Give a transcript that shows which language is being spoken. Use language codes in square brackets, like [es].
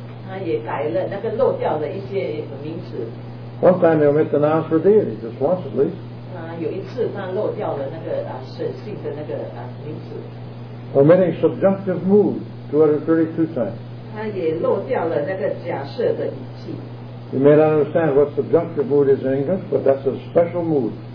[zh] 他也改了那个漏掉的一些名词。 [en] One time they omit the nouns for deity, just once at least. [zh] 有一次他漏掉了那个神性的那个名词。 [en] Omitting subjunctive mood, 232 times. [zh] 他也漏掉了那个假设的语气。 [en] You may not understand what subjunctive mood is in English, but that's a special mood.